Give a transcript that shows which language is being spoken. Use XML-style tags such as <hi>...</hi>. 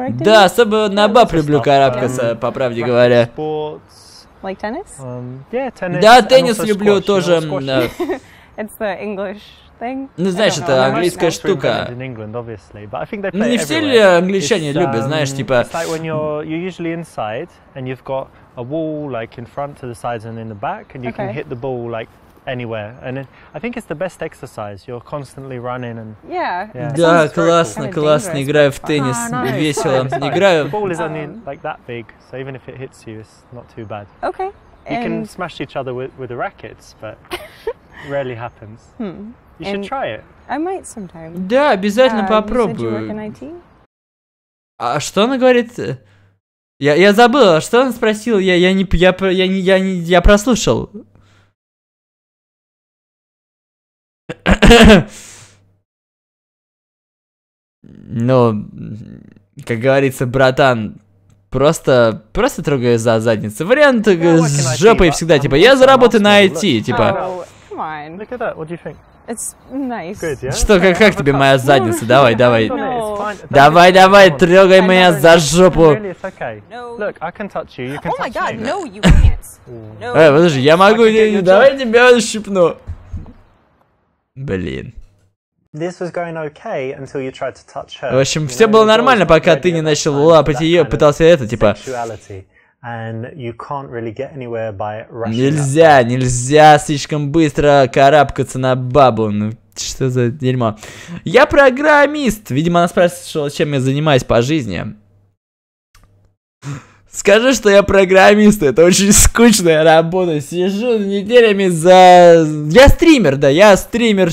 <ru>Да, особо на баб люблю карабкаться, по правде говоря.</ru> <en>Like tennis?</en> <ru>Да, теннис люблю тоже.</ru> <en>It's the English thing.</en> <ru>Ну, знаешь, это английская штука. Ну, не все ли англичане любят, знаешь, типа...</ru> <en>It's like when you're usually inside, and you've got a wall, like, in front to the sides and in the back, and you can hit the ball, like, anywhere. And I think it's the best exercise. You're constantly running and... Yeah.</en> <ru>Да, классно, играю в теннис, весело. Играю...</ru> <en>The ball is only, like, that big, so even if it hits you, it's not too bad. Okay. You can smash each other with the rackets, but... Rarely happens. You should try it. I might sometime.</en> <ru>Да, обязательно попробую.</ru> <en>You said you work in IT?</en> <ru>А что она говорит? Я забыл, а что она спросила? Я прослушал. Ну, как говорится, братан. Просто трогаю за задницу. Вариант с жопой всегда, типа, я заработаю на IT, типа.</ru> <en>Look at that. What do you think? It's nice. Good, yeah?</en> <ru>Что, как тебе моя задница? Давай, давай.</ru> <en>No.</en> <ru>Давай, трогай меня за жопу.</ru> <en>Really, it's okay. No. Look, I can touch you. You can oh touch my God, me. No, you can't. No.</en> <ru>Подожди, я могу, давай тебя щипну. Блин.</ru> <en>This was going okay until you tried to touch her.</en> <ru>В общем, все было нормально, пока ты не начал лапать ее, пытался это, типа...</ru> <en>And you can't really get anywhere by rushing.</en> <ru>Нельзя слишком быстро карабкаться на бабу. Ну что за дерьмо? Я программист. Видимо, она спрашивает, чем я занимаюсь по жизни. Скажи, что я программист. Это очень скучная работа. Сижу неделями за... Я стример.</ru>